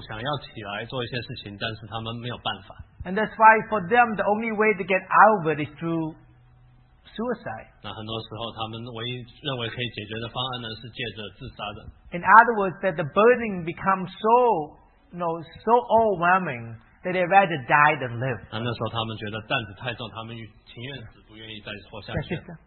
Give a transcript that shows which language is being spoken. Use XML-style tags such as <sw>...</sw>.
<zh>那好像是说他们想要寻找帮助，想要起来做一些事情，但是他们没有办法。</zh> <en>And that's why for them the only way to get out of it is through suicide.</en> <zh>那很多时候他们唯一认为可以解决的方案呢，是借着自杀的。</zh> <en>In other words, that the burden becomes so, you know, so overwhelming that they rather die than live.</en> <zh>那时候他们觉得担子太重，他们情愿死，不愿意再活下去。</zh>